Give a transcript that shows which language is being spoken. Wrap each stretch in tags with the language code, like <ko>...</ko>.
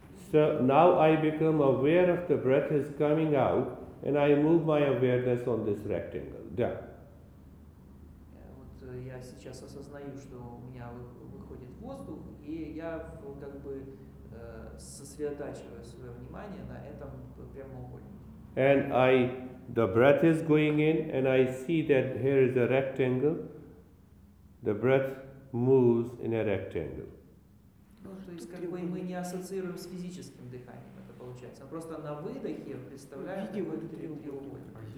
<en>So now I become aware of the breath is coming out and I move my awareness on this rectangle. Yeah.</en> <ru>Вот я сейчас осознаю, что у меня выходит воздух, и я как бы сосредотачиваю свое внимание на этом прямоугольнике.</ru> <en>And I the breath is going in and I see that here is a rectangle. The breath moves in a rectangle.</en> <ru>То есть как бы мы не ассоциируем с физическим дыханием, это получается. А просто на выдохе представляем треугольник.</ru>